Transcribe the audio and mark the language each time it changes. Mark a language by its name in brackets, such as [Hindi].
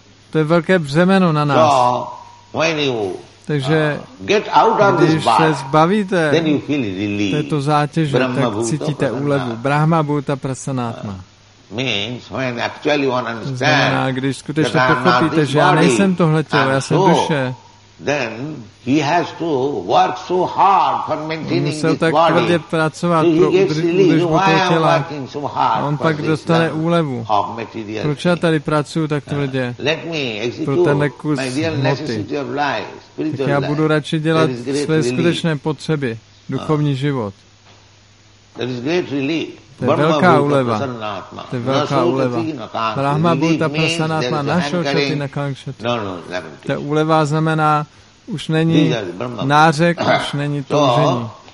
[Czech] To je velké břemeno na nás. Takže když se zbavíte této zátěže, tak cítíte úlevu. [Sanskrit] Brahma Bhuta Prasanatma. [English] Means when actually one understands that I'm not this body, [Czech] že já nejsem tohle tělo, já jsem duše, [English] then he has to work so hard for maintaining this body. [Czech] Musel tak tvrdě pracovat pro udržbu toho těla. A on pak dostane úlevu. Proč já tady pracuju tak tvrdě? [English] Let me execute my real necessity of life. [Czech] Tak já budu radši dělat své skutečné potřeby, duchovní život. [English] There is great relief. [Czech] To je velká úleva. To je velká úleva. [Sanskrit] Brahma Bhuta Prasanatma, našo šati na kankšati. [Czech] Ta úleva znamená, už není nářek, už není toužení.